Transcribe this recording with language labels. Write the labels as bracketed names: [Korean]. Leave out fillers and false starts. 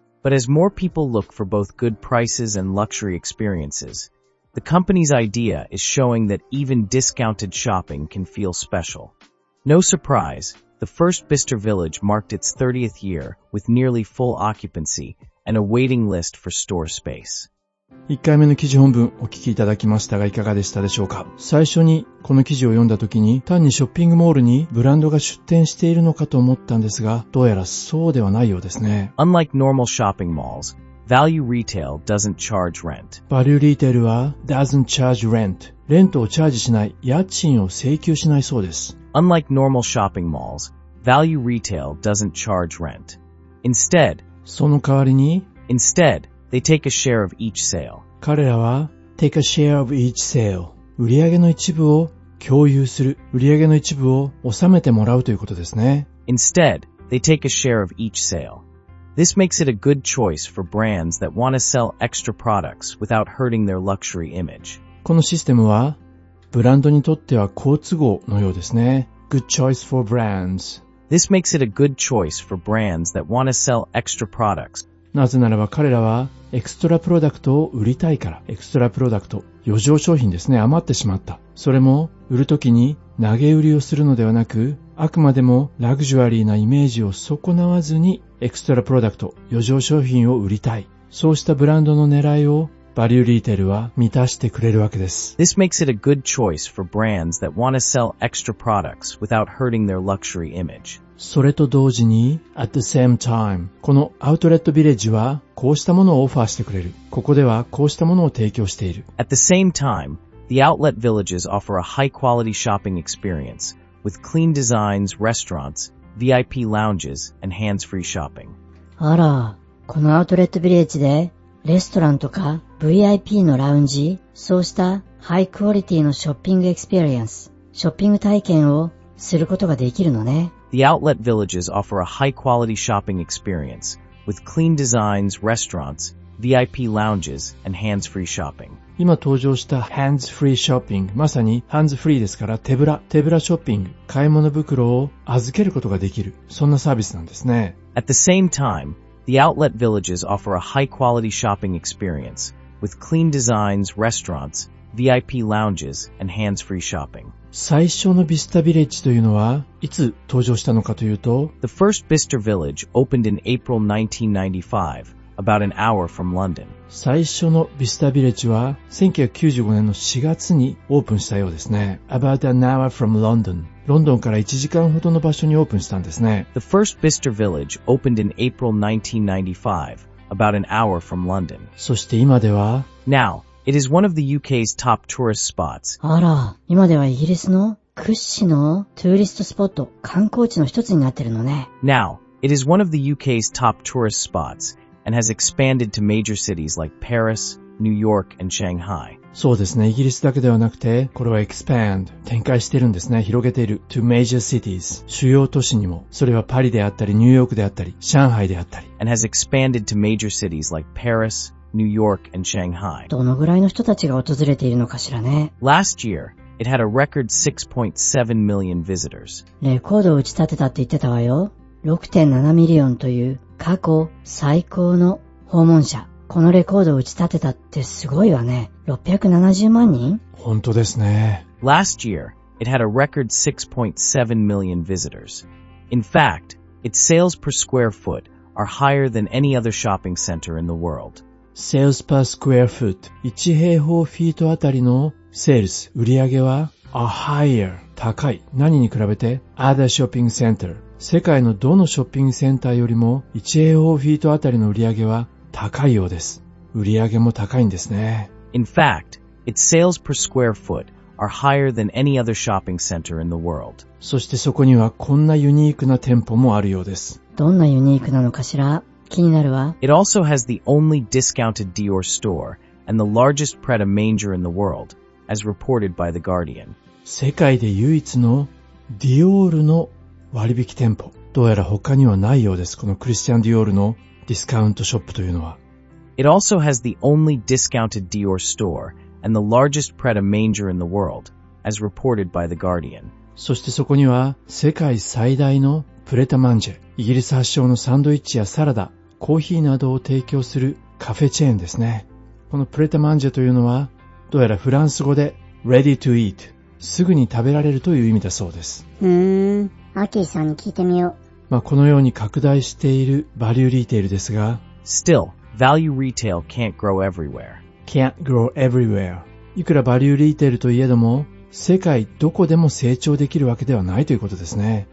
[English] But as more people look for both good prices and luxury experiences, the company's idea is showing that even discounted shopping can feel special. No surprise, the first Bicester Village marked its 30th year with nearly full occupancyAnd a waiting list for store space. [Japanese] 1回目の記事本文お聞きいただきましたが、いかがでしたでしょうか。最初にこの記事を読んだ時に、単にショッピングモールにブランドが出店しているのかと思ったんですが、どうやらそうではないようですね。 [English] Unlike normal shopping malls, value retail doesn't charge rent. Value retail [Japanese] は [English] doesn't charge rent. [Japanese] レントをチャージしない、家賃を請求しないそうです。 [English] Unlike normal shopping malls, value retail doesn't charge rent. Instead, [Japanese] その代わりに [English] Instead, they take a share of each sale. [Japanese] 彼らは [English] take a share of each sale. [Japanese] 売上の一部を共有する。売上の一部を納めてもらうということですね。 [English] Instead, they take a share of each sale. This makes it a good choice for brands that want to sell extra products without hurting their luxury image. [Japanese] このシステムはブランドにとっては好都合のようですね。 [English] Good choice for brands. This makes it a good choice for brands that want to sell extra products. [Japanese] なぜならば彼らはエクストラプロダクトを売りたいから。エクストラプロダクト、余剰商品ですね。余ってしまった。それも売るときに投げ売りをするのではなく、あくまでもラグジュアリーなイメージを損なわずにエクストラプロダクト、余剰商品を売りたい。そうしたブランドの狙いをバリューリーテルは満たしてくれるわけです。 [English] This makes it a good choice for brands that want to sell extra products without hurting their luxury image. [Japanese] それと同時に、 [English] at the same time, [Japanese] このアウトレットビレッジはこうしたものをオファーしてくれる。ここではこうしたものを提供している。 [English] At the same time, the outlet villages offer a high quality shopping experience with clean designs, restaurants, VIP lounges, and hands-free shopping. [Japanese] あら、このアウトレットビレッジでレストランとか VIP のラウンジ、そうしたハイクオリティのショッピングエクスペリエンス、ショッピング体験をすることができるのね。 [English] The outlet villages offer a high quality shopping experience with clean designs, restaurants, VIP lounges, and hands-free shopping. [Japanese] 今登場した [English] hands-free shopping、 [Japanese] まさに hands-free ですから手ぶらショッピング、買い物袋を預けることができる、そんなサービスなんですね。 [English] At the same time,The outlet villages offer a high-quality shopping experience with clean designs, restaurants, VIP lounges, and hands-free shopping. [Japanese] 最初のビスタビレッジというのはいつ登場したのかというと [English] The first Bicester Village opened in April 1995, about an hour from London. [Japanese] 最初のビスタビレッジは1995年の4月にオープンしたようですね。 [English] About an hour from London. [Japanese] ロンドンから1時間ほどの場所にオープンしたんですね。 [English] The first Bicester Village opened in April 1995, about an hour from London. [Japanese] そして今では [English] Now, it is one of the UK's top tourist spots. [Japanese] あら、今ではイギリスの屈指のトゥーリストスポット、観光地の一つになってるのね。 [English] Now, it is one of the UK's top tourist spots and has expanded to major cities like Paris, New York and Shanghai. [Japanese] そうですね。イギリスだけではなくて、これは expand 展開してるんですね。広げている [English] to major cities [Japanese] 主要都市にも。それはパリであったり、ニューヨークであったり、上海であったり。 [English] And has expanded to major cities like Paris, New York, and Shanghai. [Japanese] どのぐらいの人たちが訪れているのかしらね。 [English] Last year, it had a record 6.7 million visitors. [Japanese] レコードを打ち立てたって言ってたわよ。 [English] 6.7 million [Japanese] という過去最高の訪問者。このレコードを打ち立てたってすごいわね。 670万人? 本当ですね。 [English] Last year, it had a record 6.7 million visitors. In fact, its sales per square foot are higher than any other shopping center in the world. Sales per square foot. [Japanese] 1平方フィートあたりの sales, 売り上げは [English] are higher, [Japanese] 高い。何に比べて [English] other shopping center. [Japanese] 世界のどのショッピングセンターよりも1平方フィートあたりの売り上げは高いようです。売り上げも高いんですね。 In fact, its sales per square foot are higher than any other shopping center in the world. そしてそこにはこんなユニークな店舗もあるようです。どんなユニークなのかしら? 気になるわ。 [English] It also has the only discounted Dior store and the largest Prada manger in the world, as reported by The Guardian. [Japanese] 世界で唯一のディオールの割引店舗。どうやら他にはないようです。このクリスチャンディオールのディスカウントショップというのは。 [English] It also has the only discounted Dior store and the largest Prada manger in the world, as reported by The Guardian. [Japanese] そしてそこには世界最大のプレタマンジェ、イギリス発祥のサンドイッチやサラダ、コーヒーなどを提供するカフェチェーンですね。このプレタマンジェというのは、どうやらフランス語で [English] ready to eat、 [Japanese] すぐに食べられるという意味だそうです。アキーさんに聞いてみよう。まあ、このように拡大しているバリューリテールですが [English] Still, value retail can't grow everywhere. Can't grow everywhere. [Japanese] いくらバリューリテールといえども世界どこでも成長できるわけではないということですね。